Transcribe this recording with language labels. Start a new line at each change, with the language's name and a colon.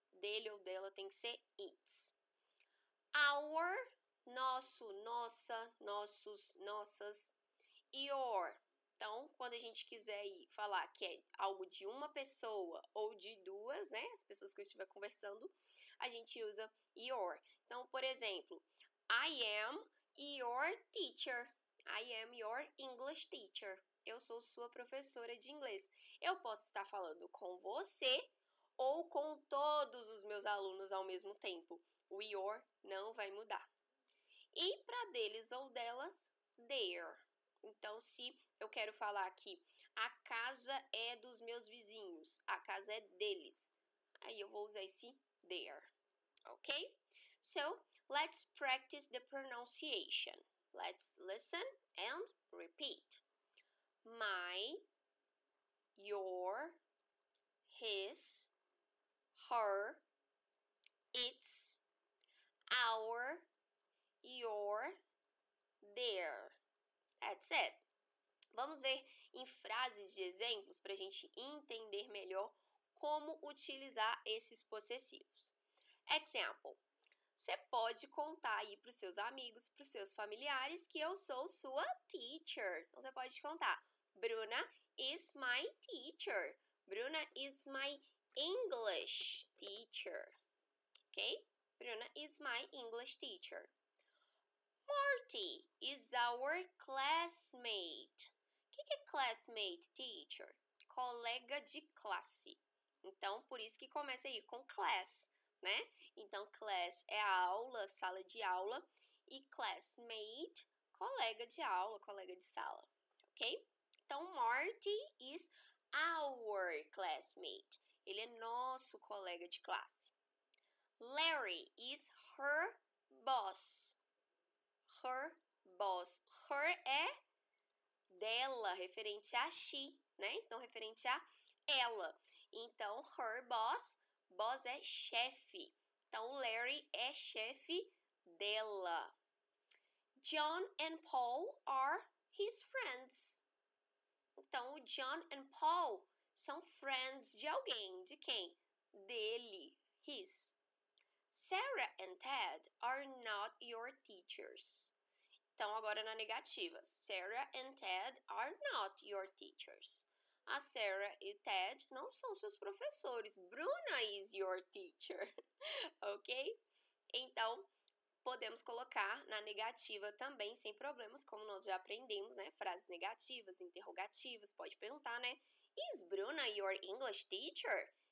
Portuguese: Dele ou dela tem que ser its. Our, nosso, nossa, nossos, nossas. Your, então, quando a gente quiser ir falar que é algo de uma pessoa ou de duas, né? As pessoas que eu estiver conversando, a gente usa your. Então, por exemplo,
English: I am your teacher. I am your English teacher.
Portuguese: Eu sou sua professora de inglês. Eu posso estar falando com você ou com todos os meus alunos ao mesmo tempo. O your não vai mudar. E para deles ou delas, their. Então, se eu quero falar aqui, a casa é dos meus vizinhos, a casa é deles. Aí eu vou usar esse their, ok?
English: So, let's practice the pronunciation. Let's listen and repeat. My, your, his, her, its, our, your, their. That's it.
Portuguese: Vamos ver em frases de exemplos para a gente entender melhor como utilizar esses possessivos.
English: Example.
Portuguese: Você pode contar aí para os seus amigos, para os seus familiares, que eu sou sua teacher. Então, você pode contar.
English: Bruna is my teacher. Bruna is my English teacher. Ok? Bruna is my English teacher. Marty is our classmate.
Portuguese: O que, que é classmate, teacher? Colega de classe. Então, por isso que começa aí com class, né? Então, class é a aula, sala de aula. E classmate, colega de aula, colega de sala. Ok? Então,
English: Marty is our classmate.
Portuguese: Ele é nosso colega de classe.
English: Larry is her boss. Her boss.
Portuguese: Her é dela, referente a she, né? Então, referente a ela. Então, her boss. Boss é chefe. Então, Larry é chefe dela.
English: John and Paul are his friends.
Portuguese: Então, o John and Paul são friends de alguém. De quem? Dele. His.
English: Sarah and Ted are not your teachers.
Portuguese: Então, agora na negativa.
English: Sarah and Ted are not your teachers.
Portuguese: A Sarah e Ted não são seus professores.
English: Bruna is your teacher.
Portuguese: Ok? Então, podemos colocar na negativa também, sem problemas, como nós já aprendemos, né? Frases negativas, interrogativas, pode perguntar, né?
English: Is Bruna your English teacher?